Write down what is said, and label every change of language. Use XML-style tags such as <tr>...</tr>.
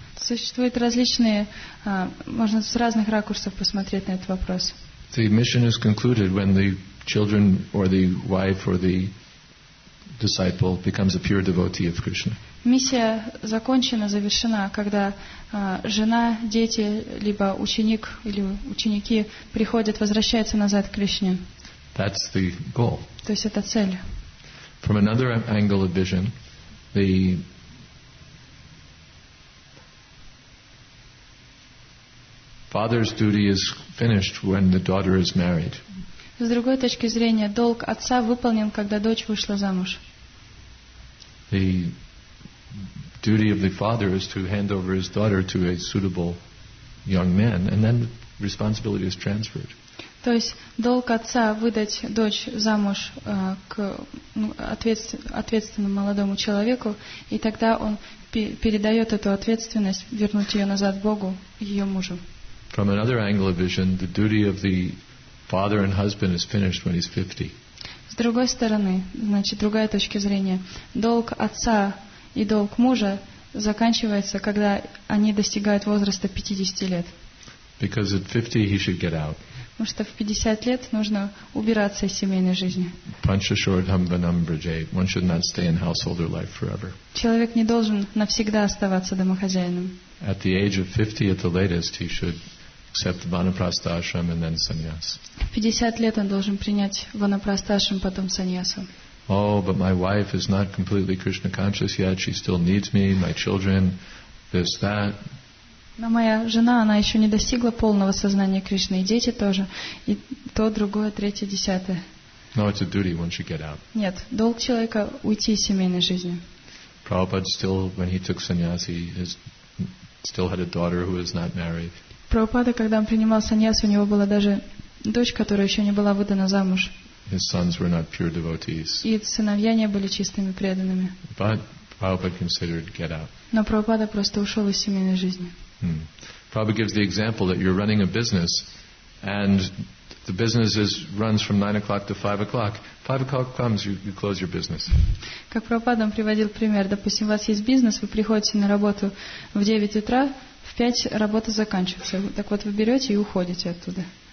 <ru>Существуют различные, можно с разных ракурсов посмотреть на этот вопрос.</ru> <en>The mission is concluded when the children or the wife or the disciple becomes a pure devotee of Krishna.</en> <ru>Миссия закончена, завершена, когда жена, дети, либо ученик или ученики приходят, возвращаются назад к Кришне.</ru> <en>That's the goal.</en> <ru>То есть это цель.</ru> <en>From another angle of vision, father's duty is finished when the daughter is married.</en> <ru>С другой точки зрения, долг отца выполнен, когда дочь вышла замуж.</ru> <en>The duty of the father is to hand over his daughter to a suitable young man, and then the responsibility is transferred.</en> <ru>То есть долг отца выдать дочь замуж к ответственному молодому человеку, и тогда он передает эту ответственность вернуть ее назад Богу, ее мужу.</ru> <en>From another angle of vision, the duty of the father and husband is finished when he's 50.</en> <ru>С другой стороны, значит, другая точка зрения, долг отца и долг мужа заканчивается, когда они достигают возраста 50 лет.</ru> <en>Because at 50 he should get out.</en> <ru>Потому что в 50 лет нужно убираться из семейной жизни.</ru> <en>One should not stay in household or life forever.</en> <ru>Человек не должен навсегда оставаться домохозяином.</ru> <en>At the age of 50, at the latest, he should accept vanaprastha ashram and then sannyas.</en> <ru>В 50 лет он должен принять ванапрастха ашрам, потом саньясу.</ru> <en>Oh, but my wife is not completely Krishna conscious yet. She still needs me, my children, this, that.</en> <ru>Но моя жена, она еще не достигла полного сознания Кришны, и дети тоже, и то, другое, третье, десятое.</ru> <en>No, it's a duty once you get out.</en> <ru>Нет, долг человека уйти из семейной жизни.</ru> <en>Prabhupada still, when he took sannyas, he still had a daughter who was not married.</en> <ru>Прабхупада, когда он принимал саньяс, у него была даже дочь, которая еще не была выдана замуж.</ru> <en>His sons were not pure devotees.</en> <ru>И сыновья не были чистыми преданными.</ru> <en>But Prabhupada considered get out.</en> <ru>Но Прабхупада просто ушел из семейной жизни. Hmm.</ru> <en>Prabhupada gives the example that you're running a business and the business runs from 9 o'clock to 5 o'clock. 5 o'clock comes, you close your business.</en> <ru>Как Прабхупада приводил пример, допустим, у вас есть бизнес, вы приходите на работу в 9 утра, в 5 работа заканчивается. Так вот вы берете и уходите оттуда.</ru>